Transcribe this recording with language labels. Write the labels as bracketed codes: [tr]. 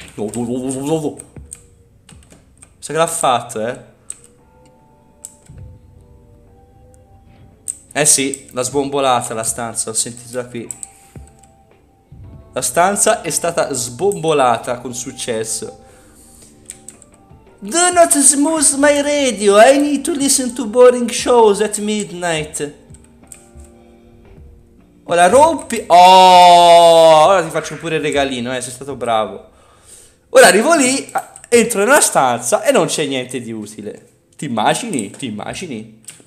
[it] Mi sa che l'ha fatto, eh? Eh sì, l'ha sbombolata la stanza, l'ho sentito da qui. La stanza è stata sbombolata con successo. [en] Do not smooth my radio, I need to listen to boring shows at midnight. [it] Ora rompi. Oh, ora ti faccio pure il regalino, sei stato bravo. Ora arrivo lì, entro nella stanza e non c'è niente di utile. Ti immagini? Ti immagini?